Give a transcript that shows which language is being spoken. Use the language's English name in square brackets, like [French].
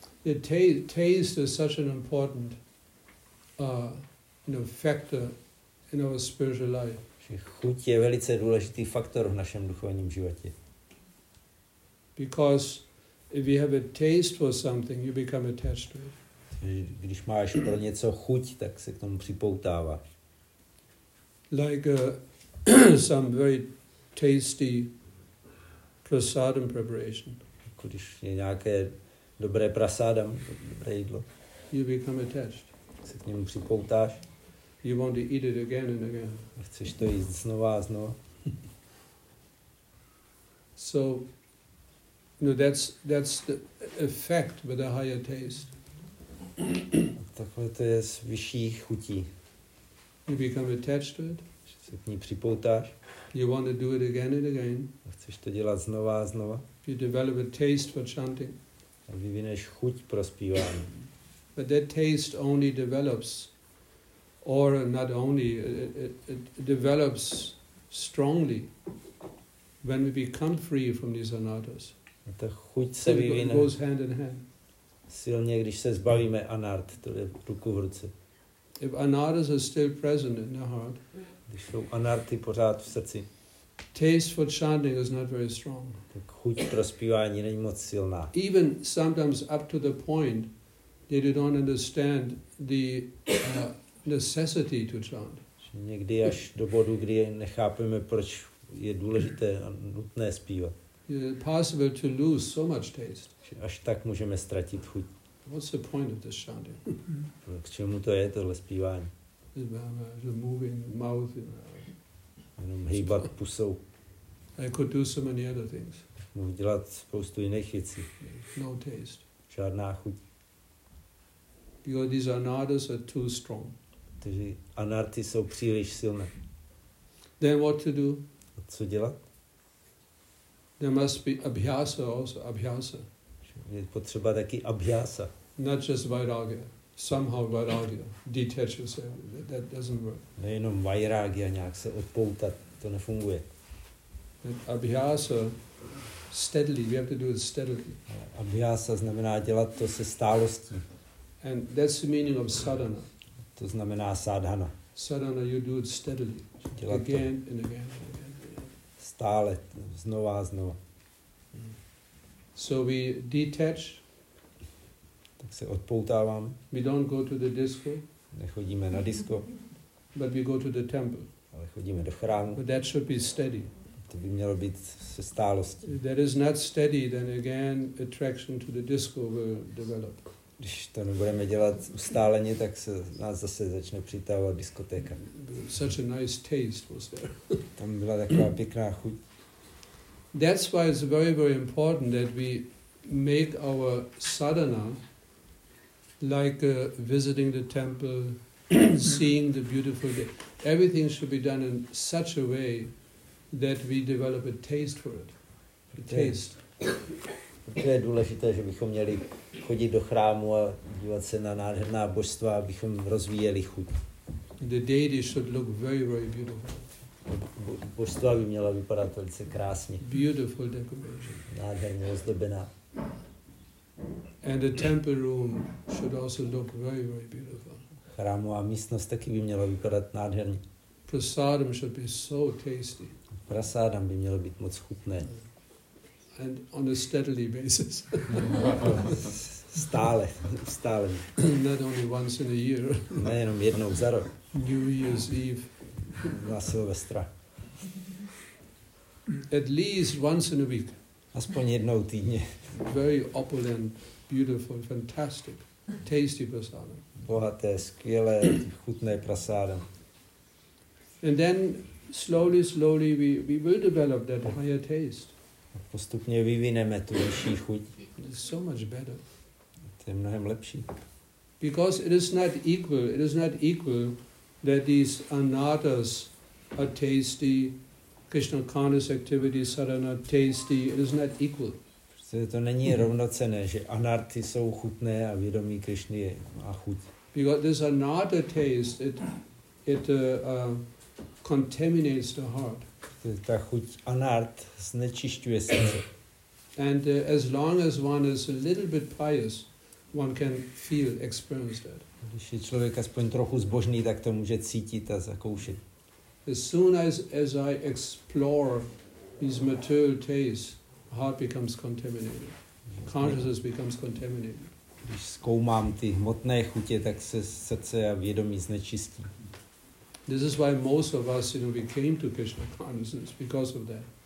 [English] The taste is such an important factor in our spiritual life. [Czech] Že chuť je velice důležitý faktor v našem duchovním životě. [English] Because if you have a taste for something, you become attached to it. [Czech] Když máš pro něco chuť, tak se k tomu připoutáváš. [English] Like some very tasty prasadam preparation. [Czech] Když je nějaké dobré prasadam, dobré jídlo, [English] you become attached. [Czech] Se k němu připoutáš. [English] You want to eat it again and again. [Czech] A chceš to jíst znova a znova. [English] So, no, that's the effect with a higher taste. [Czech] Takhle to je s vyšší chutí. [English] You become attached to it. [Czech] Se k ní připoutáš. [English] You want to do it again and again. [Czech] A chceš to dělat znova a znova. [English] You develop a taste for chanting. [Czech] A vyvineš chuť pro zpívání. [English] But that taste only develops, or not only, it develops strongly when we become free from these anarthas. [Czech] A ta chuť se vyvine. [English] It goes hand in hand. [Czech] Silně, když se zbavíme anart, to je ruku v ruce. [English] If anarthas are still present in the heart, [Czech] když jsou anarty pořád v srdci. [English] Taste for chanting is not very strong. [Czech] Tak chuť pro zpívání není moc silná. [English] Even sometimes up to the point that you don't understand the necessity to chant. [Czech] Někdy až do bodu, kdy nechápeme, proč je důležité a nutné zpívat. [English] It's possible to lose so much taste. [Czech] Až tak můžeme ztratit chuť. [English] What's the point of this chanting? [Czech] K čemu to je tohle zpívání? [English] Moving mouth. [Czech] Jenom hýbat pusou. [English] I could do so many other things. [Czech] Můžu dělat spoustu jiných věcí. [English] No taste. [Czech] Žádná chuť. [English] Because these anardas are too strong. [Czech] Protože anarty jsou příliš silné. [English] Then what to do? [Czech] A co dělat? [English] There must be abhyasa also, abhyasa. [Czech] Je potřeba taky abhyasa. [English] Not just vairagya. Somehow vairagya detaches everything. That doesn't work. [Czech] Nejenom vairagya nějak se odpoutat, to nefunguje. [English] And abhyasa steadily, we have to do it steadily. [Czech] Abhyasa znamená dělat to se stálostí. [English] And that's the meaning of sadhana. [Czech] To znamená sadhana. [English] Sadhana, you do it steadily. [Czech] Dělat [English] again to. And again and again. [Czech] Stále, znova a znova. [English] So we detach. [Czech] Tak se odpoutáváme. [English] We don't go to the disco. [Czech] Nechodíme na disco. [English] But we go to the temple. [Czech] Ale chodíme do chrámu. [English] But that should be steady. [Czech] To by mělo být se stálostí. [English] If that is not steady, then again attraction to the disco will develop. [Czech] Když to nebudeme dělat ustáleně, tak se nás zase začne přitahovat diskotéka. [English] Such a nice taste was there. [Czech] Tam byla taková pěkná chuť. [English] That's why it's very, very important that we make our sadhana like visiting the temple, seeing the beautiful day. Everything should be done in such a way that we develop a taste for it. A taste. [Czech] Proto je důležité, že bychom měli chodit do chrámu a dívat se na nádherná božstva, abychom rozvíjeli chuť. [English] The deity should look very, very beautiful. [Czech] Božstva by měla vypadat velice krásně. [English] Beautiful decoration. [Czech] Nádherně ozdobená. [English] And the temple room should also look very, very beautiful. [Czech] Chrámová místnost taky by měla vypadat nádherně. [English] Prasadam should be so tasty. [Czech] Prasadam by mělo být moc chutné. [English] And on a steadily basis. [Czech] Stále, stále. [English] Not only once in a year. [Czech] Ne, jenom jednou za rok. [English] New Year's Eve. [Czech] Na Silvestra. [English] At least once in a week. [Czech] Aspoň jednou týdně. [English] Very opulent, beautiful, fantastic, tasty prasadam. [Czech] Bohaté, skvělé, chutné prasadam. [English] And then slowly, slowly we will develop that higher taste. [Czech] Postupně vyvineme tu vyšší chuť. [English] It's so much better. [Czech] To je mnohem lepší. [English] Because it is not equal that these anattas are tasty, Krishna conscious activity, sadhana tasty, it is not equal. [Czech] Protože to není rovnocené, že anarty jsou chutné a vědomí Krishny je má chuť. [English] Because this anatta taste, it contaminates the heart. [Czech] Ta chuť anart znečišťuje srdce. [English] And as long as one is a little bit pious, one can feel, experience that. [Czech] Když je člověk aspoň trochu zbožný, tak to může cítit a zakoušet. [English] As soon as I explore these material tastes, heart becomes contaminated. Consciousness becomes contaminated. [Czech] Když zkoumám ty hmotné chutě, tak se srdce a vědomí znečistí. [English] This is why most of us, you know, we came to Krishna consciousness because of that.